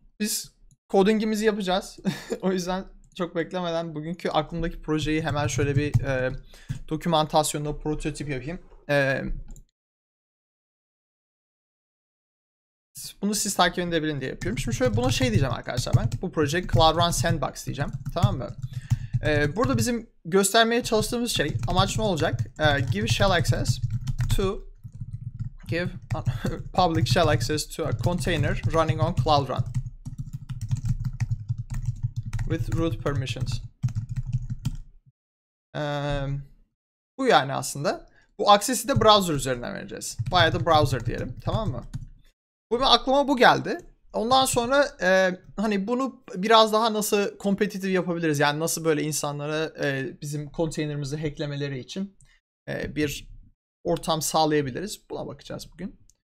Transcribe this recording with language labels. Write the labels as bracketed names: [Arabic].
[Turkish] Biz codingimizi yapacağız. O yüzden çok beklemeden bugünkü aklımdaki projeyi hemen şöyle bir dokümantasyonda prototip yapayım. Bunu siz takip edebilin diye yapıyorum. Şimdi şöyle buna şey diyeceğim arkadaşlar ben. Bu proje Cloud Run Sandbox diyeceğim. Tamam mı? Burada bizim göstermeye çalıştığımız şey amaç ne olacak? [English] Give shell access to give public shell access to a container running on Cloud Run with root permissions. [Turkish] Bu yani aslında. Bu access'i de browser üzerinden vereceğiz. Bayağı da browser diyelim. Tamam mı? Bu aklıma bu geldi. Ondan sonra hani bunu biraz daha nasıl competitive yapabiliriz? Yani nasıl böyle insanlara bizim container'ımızı hacklemeleri için bir ortam sağlayabiliriz? Buna bakacağız bugün.